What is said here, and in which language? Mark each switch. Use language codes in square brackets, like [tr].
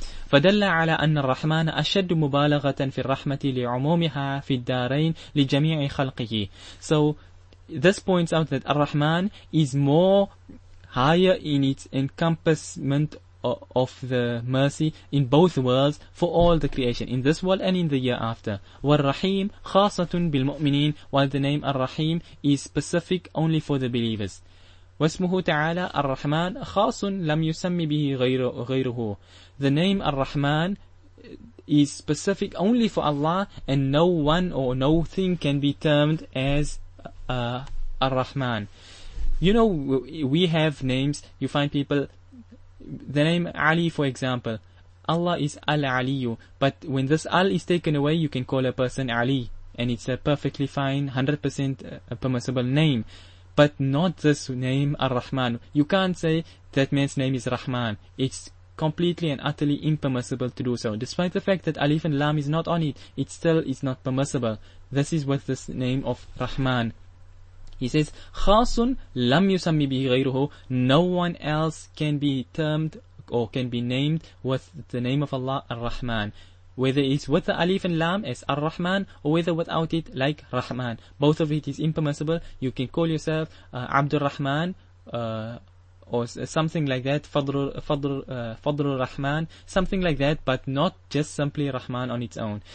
[ar] فَدَلَّ عَلَىٰ أَنَّ الرَّحْمَنَ أَشَدُّ مُبَالَغَةً فِي الرَّحْمَةِ لِعُمُومِهَا فِي الدَّارَيْنِ لِجَمِيعِ خَلْقِهِ. [en] So this points out that Ar-Rahman is more higher in its encompassment of the mercy in both worlds for all the creation, in this world and in the year after. [ar] والرحيم خاصة بالمؤمنين. [en] While the name الرحيم is specific only for the believers. [ar] واسمه تعالى الرحمن خاص لم يسمي به غيره. [en] The name الرحمن is specific only for Allah, and no one or no thing can be termed as الرحمن. You know, we have names. You find people, the name Ali, for example, Allah is Al-Aliyu. But when this Al is taken away, you can call a person Ali, and it's a perfectly fine, 100% permissible name. But not this name Ar-Rahman. You can't say that man's name is Rahman. It's completely and utterly impermissible to do so. Despite the fact that Alif and Lam is not on it, it still is not permissible. This is what this name of Rahman. He says, [ar] خَاصٌ لَمْ يُسَمِّ بِهِ غَيْرُهُ. [en] No one else can be termed or can be named with the name of Allah, Ar-Rahman. Whether it's with the Alif and Lam as Ar-Rahman, or whether without it like Rahman. Both of it is impermissible. You can call yourself Abdul Rahman, or something like that, Fadrul Rahman, something like that, but not just simply Rahman on its own.